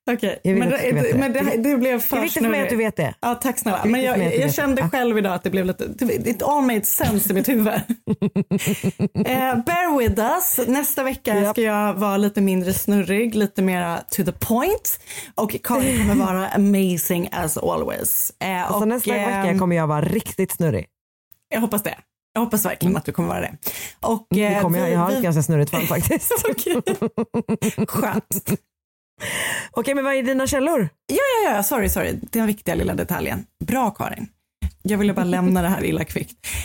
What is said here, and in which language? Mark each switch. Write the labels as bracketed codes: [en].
[sv] Okej, okay, men det blev för snurrigt. Det är viktigt för mig att du vet det. Ja, tack snälla. Men jag kände själv idag att det blev lite... [en] It all made sense [sv] i mitt huvud. [en] Bear with us. [sv] Nästa vecka ska jag vara lite mindre snurrig, lite mer [en] to the point. [sv] Och Karin kommer vara [en] amazing as always. [sv] Nästa vecka kommer jag vara riktigt snurrig. Jag hoppas det. Jag hoppas verkligen att du kommer vara det. Och, det kommer jag har ett ganska snurrigt fall faktiskt. Skönt. Okej, men vad är dina källor? Ja, sorry. Det är den viktiga lilla detaljen. Bra, Karin. Jag ville bara lämna det här illa kvickt.